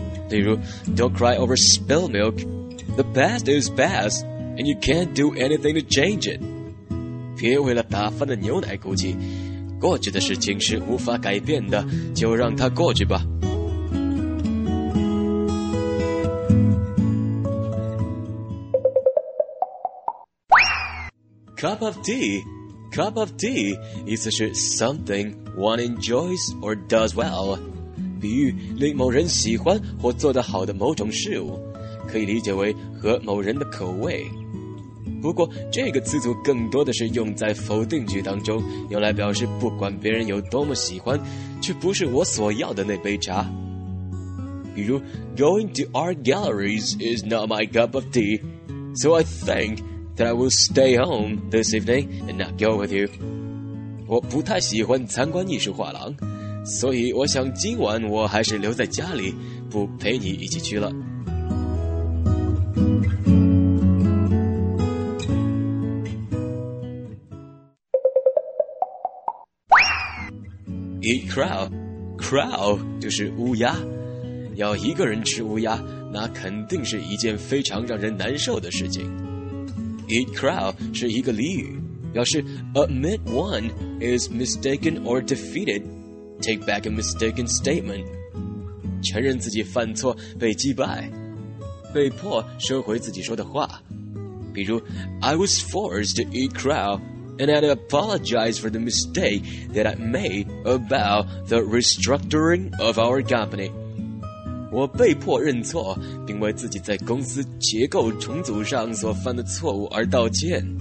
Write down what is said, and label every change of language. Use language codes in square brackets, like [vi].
[zh] 例如 [en] Don't cry over spilt milk， The past is past and you can't do anything to change it。 [zh] 别为了打翻的牛奶哭泣，过去的事情是无法改变的，就让它过去吧。 [en] Cup of tea. Cup of tea [zh] 意思是 [en] something one enjoys or does well， [zh] 比喻令某人喜欢或做得好的某种事物，可以理解为和某人的口味。不过这个词组更多的是用在否定句当中，用来表示不管别人有多么喜欢，却不是我所要的那杯茶。比如 [en] Going to art galleries is not my cup of tea， So I thinkThat I will stay home this evening and not go with you. [zh] 我不太喜欢参观艺术画廊，所以我想今晚我还是留在家里，不陪你一起去了。 [en] Eat crow. [zh] Crow 就是乌鸦，要一个人吃乌鸦，那肯定是一件非常让人难受的事情。 Eat crow 是一个俚语，表示 [en] admit one is mistaken or defeated, take back a mistaken statement, [zh] 承认自己犯错被击败，被迫收回自己说的话。比如 [en] I was forced to eat crow and I apologize for the mistake that I made about the restructuring of our company. [zh] 我被迫认错，并为自己在公司结构重组上所犯的错误而道歉。